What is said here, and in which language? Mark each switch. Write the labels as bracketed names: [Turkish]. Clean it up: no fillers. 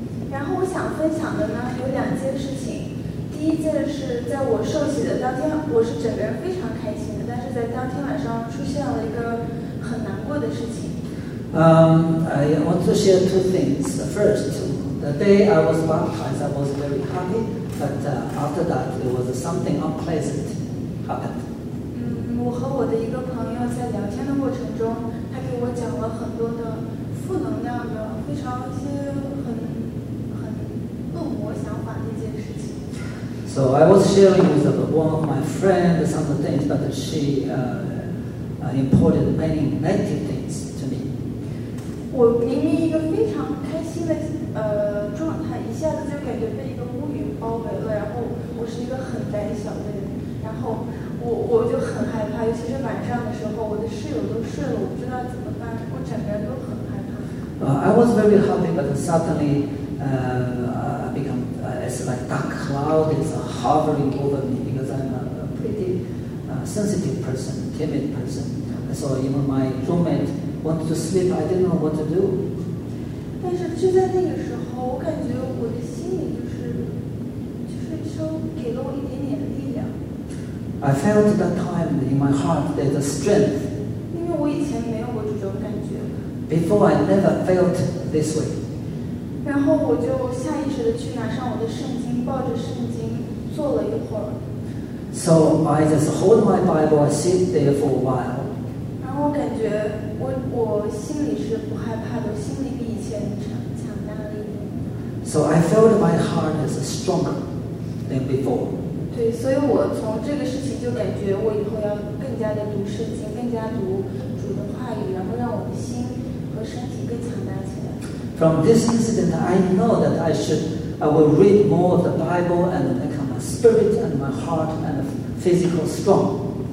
[Chinese] 然后我想分享的呢，有两件事情。第一件是在我受洗的当天，我是整个人非常开心的，但是在当天晚上出现了一个很难过的事情。 [English] I want to share two things. First, the day I was baptized, I was very happy, but after that, there was something unpleasant happened. [Chinese] 我和我的一个朋友在聊天的过程中，他给我讲了很多的负能量的，非常一些很恶魔想法的一件事情。 [English] So I was sharing with one of my friends some things, but she imported many negative things. [Chinese] 我明明一个非常开心的状态，一下子就感觉被一个乌云包围了。然后我是一个很胆小的人，然后我就很害怕，尤其是晚上的时候，我的室友都睡了，我不知道怎么办，我整个人都很害怕。 [English] I was very happy, but suddenly, become it's like dark cloud is hovering over me because I'm a pretty sensitive person, timid person. So even my roommate wanted to sleep. I didn't know what to do. [Chinese] 但是就在那个时候，我感觉我的心里就是稍给了我一点点力量。 [English] I felt that time in my heart there's a strength. [Chinese] 因为我以前没有过这种感觉。 [English] Before I never felt this way. [Chinese] 然后我就下意识的去拿上我的圣经，抱着圣经坐了一会儿。 [English] So I just hold my Bible and sit there for a while. [Chinese] 然后我感觉我心里是不害怕的，心里比以前强大了一点。 [English] So I felt my heart is stronger than before. [Chinese] 对，所以我从这个事情就感觉我以后要更加的读圣经，更加读主的话语，然后让我的心和身体更强大起来。 [English] From this incident, I know that I will read more of the Bible and make my spirit and my heart and physical strong.